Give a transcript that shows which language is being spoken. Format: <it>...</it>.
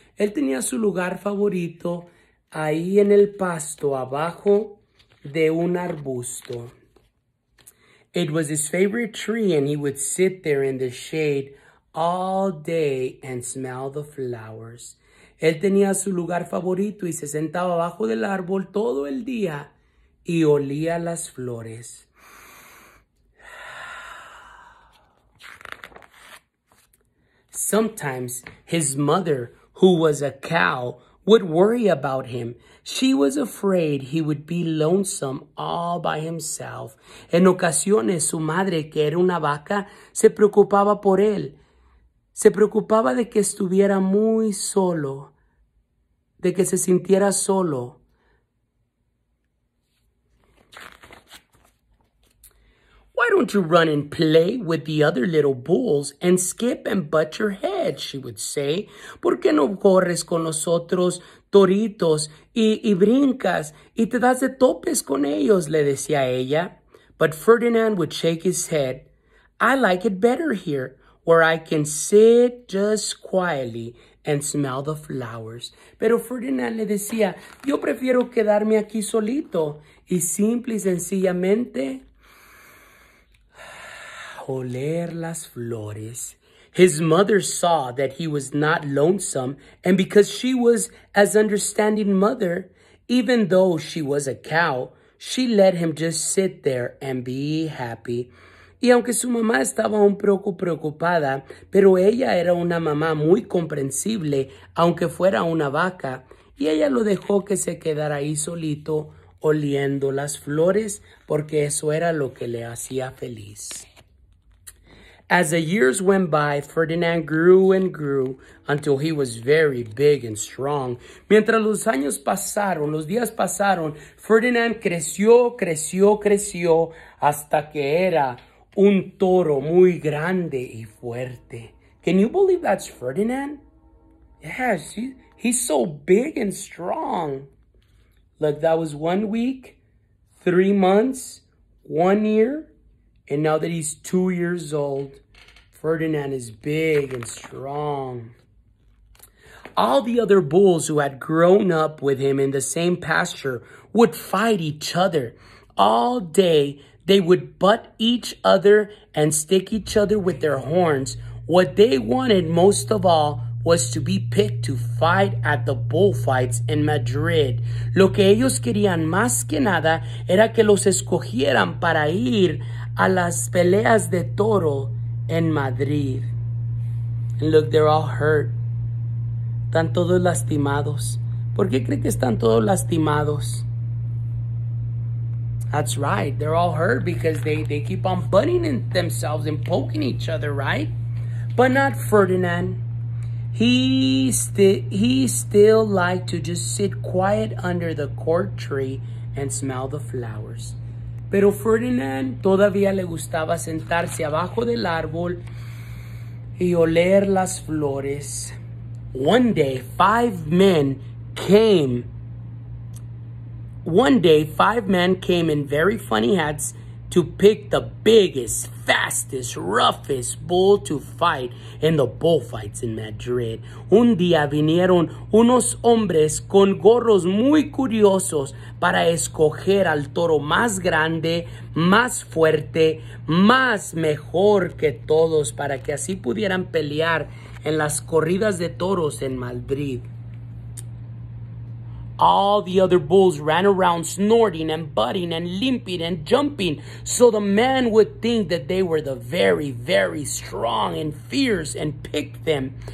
<es>Él tenía su lugar favorito ahí en el pasto, abajo de un arbusto.</es> <en>It was his favorite tree and he would sit there in the shade all day and smell the flowers.</en> <es>Él tenía su lugar favorito y se sentaba abajo del árbol todo el día y olía las flores.</es> <en>Sometimes his mother, who was a cow, would worry about him. She was afraid he would be lonesome all by himself.</en> <es>En ocasiones, su madre, que era una vaca, se preocupaba por él. Se preocupaba de que estuviera muy solo, de que se sintiera solo.</es> <en>Why don't you run and play with the other little bulls and skip and butt your head, she would say.</en> <es>¿Por qué no corres con los otros toritos y brincas y te das de topes con ellos? Le decía ella.</es> <en>But Ferdinand would shake his head. I like it better here, where I can sit just quietly and smell the flowers.</en> <es>Pero Ferdinand le decía, yo prefiero quedarme aquí solito y simple y sencillamente oler las flores.</es> <en>His mother saw that he was not lonesome, and because she was an understanding mother, even though she was a cow, she let him just sit there and be happy.</en> <es>Y aunque su mamá estaba un poco preocupada, pero ella era una mamá muy comprensible, aunque fuera una vaca, y ella lo dejó que se quedara ahí solito oliendo las flores, porque eso era lo que le hacía feliz.</es> <en>As the years went by, Ferdinand grew and grew until he was very big and strong.</en> <es>Mientras los años pasaron, los días pasaron, Ferdinand creció, creció, creció hasta que era un toro muy grande y fuerte.</es> <en>Can you believe that's Ferdinand? Yes, he's so big and strong. Look, that was 1 week, 3 months, 1 year. And now that he's 2 years old, Ferdinand is big and strong. All the other bulls who had grown up with him in the same pasture would fight each other. All day, they would butt each other and stick each other with their horns. What they wanted most of all was to be picked to fight at the bullfights in Madrid.</en> <es>Lo que ellos querían más que nada era que los escogieran para ir a las peleas de toro en Madrid.</es> <en>And look, they're all hurt.</en> <es>Están todos lastimados. ¿Por qué creen que están todos lastimados?</es> <en>That's right. They're all hurt because they keep on butting in themselves and poking each other, right? But not Ferdinand. He still liked to just sit quiet under the cork tree and smell the flowers.</en> <es>Pero Ferdinand todavía le gustaba sentarse abajo del árbol y oler las flores.</es> <en>One day, five men came in very funny hats to pick the biggest, fastest, roughest bull to fight in the bullfights in Madrid.</en> <es>Un día vinieron unos hombres con gorros muy curiosos para escoger al toro más grande, más fuerte, más mejor que todos para que así pudieran pelear en las corridas de toros en Madrid.</es> <en>All the other bulls ran around snorting and butting and limping and jumping, so the man would think that they were the very, very strong and fierce and picked them.</en>